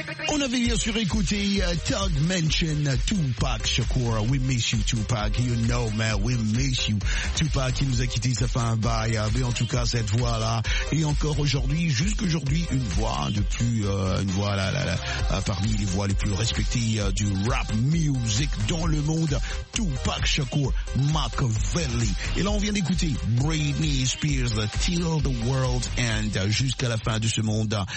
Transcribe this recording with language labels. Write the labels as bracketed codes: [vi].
[fr] On avait bien sûr écouté Tug mention Tupac Shakur. [en] We miss you Tupac, you know man, we miss you. [fr] Tupac qui nous a quitté, ça fait un bail. Mais en tout cas cette voix là, et encore aujourd'hui, jusqu'aujourd'hui, une voix de plus, une voix là, parmi les voix les plus respectées du rap music dans le monde. Tupac Shakur, Machiavelli. Et là on vient d'écouter Britney Spears, Till the World End, jusqu'à la fin de ce monde.